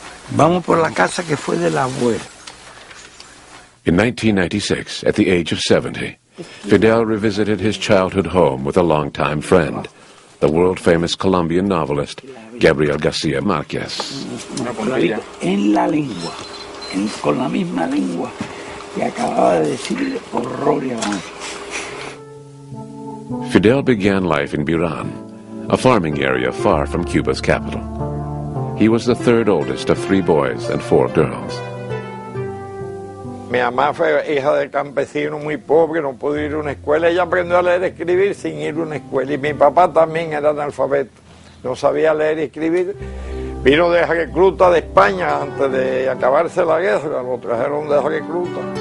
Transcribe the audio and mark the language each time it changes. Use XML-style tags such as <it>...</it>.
<es>Vamos por la casa que fue del abuelo.</es> <en>In 1996, at the age of 70, Fidel revisited his childhood home with a longtime friend, the world-famous Colombian novelist Gabriel García Márquez.</en> <es>En la lengua, con la misma lengua que acababa de decir horror y abandono.</es> <en>Fidel began life in Burán, a farming area far from Cuba's capital. He was the third oldest of three boys and four girls.</en> <es>Mi mamá fue hija de campesino muy pobre, no pudo ir a una escuela. Ella aprendió a leer y escribir sin ir a una escuela. Y mi papá también era analfabeto, no sabía leer y escribir. Vino de recluta de España antes de acabarse la guerra, lo trajeron de recluta.</es>